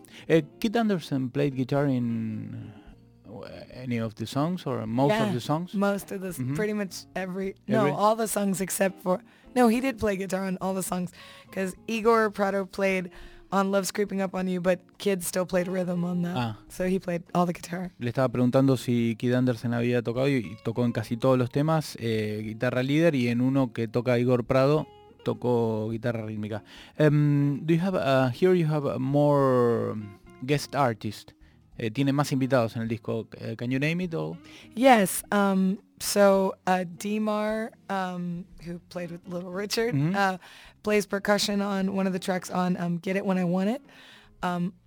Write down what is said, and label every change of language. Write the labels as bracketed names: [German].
[English] Keith Anderson played guitar in any of the songs or most of the songs? Most of the... pretty much every... No, all the songs except for... No, he did play guitar on all the songs because Igor Prado played... On Love's Creeping Up On You, but Kid still played rhythm on that. So he played all the guitar. [Spanish] Le estaba preguntando si Kid Anderson había tocado y tocó en casi todos los temas guitarra líder y en uno que toca Igor Prado tocó guitarra rítmica. [English] Do you have here you have more guest artists? [Spanish] Tiene más invitados en el disco. [English] Can you name it all? Yes. So D-Mar, who played with Little Richard, plays percussion on one of the tracks on Get It When I Want It.